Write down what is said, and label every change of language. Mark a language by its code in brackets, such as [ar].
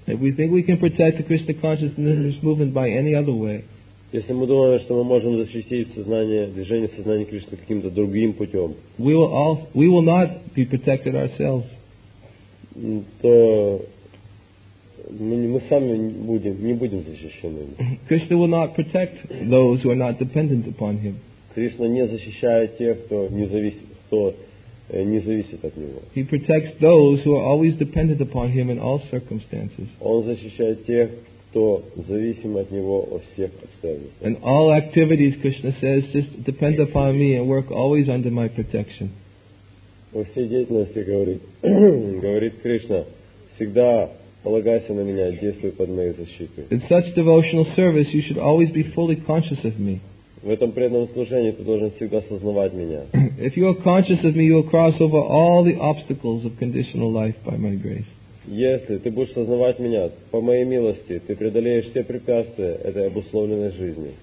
[en] If we think we can protect the Krishna consciousness movement by any other way, [ru] если мы думаем, что мы можем защитить сознание, движение сознания Кришны каким-то другим путем, [en] we will not be protected ourselves. [ru] То мы сами не будем защищены. [en] Krishna will not protect those who are not dependent upon him. [ru] Кришна не защищает тех, кто не зависит, кто не зависит от него. [en] He protects those who are always dependent upon him in all circumstances. [ru] Он защищает тех, что зависим от него во всех обстоятельствах. [en] And all activities, Krishna says, just depend upon me and work always under my protection. [ru] Во всей деятельности, говорит Кришна, всегда полагайся на меня, действуй под моей защитой. [en] In such devotional service, you should always be fully conscious of me. [ru] В этом преданном служении ты должен всегда сознавать меня. [en] If you are conscious of me, you will cross over all the obstacles of conditional life by my grace. [ru] Если ты будешь сознавать меня, по моей милости, ты преодолеешь все препятствия этой обусловленной жизни.